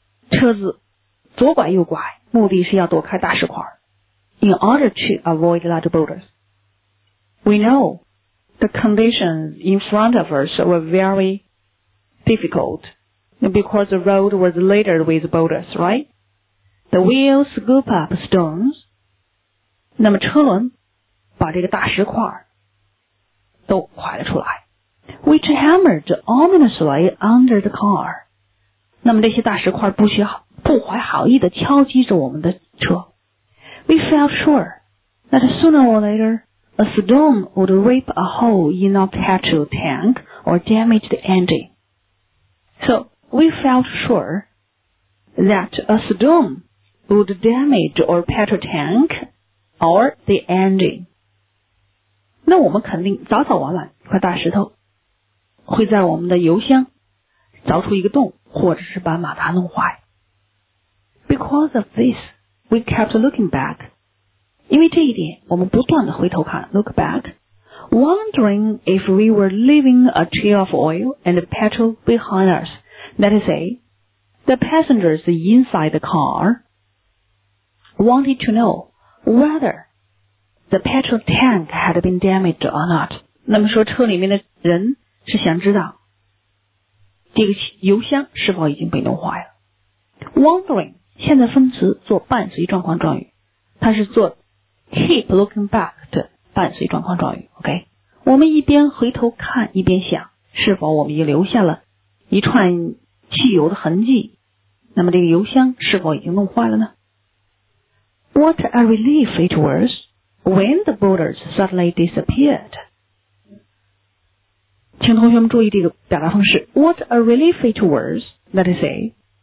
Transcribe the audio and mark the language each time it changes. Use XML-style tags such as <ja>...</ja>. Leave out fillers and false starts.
<zh>车子左拐右拐，目的是要躲开大石块。</zh> <en>In order to avoid large boulders, we know the conditions in front of us were very difficult because the road was littered with boulders, right? The wheel scoop up stones.</en> <zh>那么车轮把这个大石块都快了出来</zh> <en>which hammered ominously under the car.</en> <zh>那么这些大石块不怀好意地敲击着我们的车。</zh> <en>We felt sure that sooner or later, a stone would rip a hole in our petrol tank or damage the engine. So, we felt sure that a stone would damage our petrol tank or the engine.</en> <zh>那我们肯定早早晚晚一块大石头会在我们的油箱凿出一个洞或者是把马达弄坏。</zh> <en>Because of this, we kept looking back.</en> <zh>因为这一点我们不断的回头看</zh> <en>look back, wondering if we were leaving a trail of oil and petrol behind us. That is say, the passengers inside the car wanted to know whetherThe petrol tank had been damaged or not.</en> <zh>那么说车里面的人是想知道这个油箱是否已经被弄坏了。 Wondering, 现在分词做伴随状况状语。它是做 keep looking back 的伴随状况状语。OK? 我们一边回头看一边想是否我们已经留下了一串汽油的痕迹。那么这个油箱是否已经弄坏了呢 ?</zh> <en>What a relief it was. When the boulders suddenly disappeared.</en> <zh>请同学们注意这个表达方式。</zh> <en>What a relief it was, let us say.</en>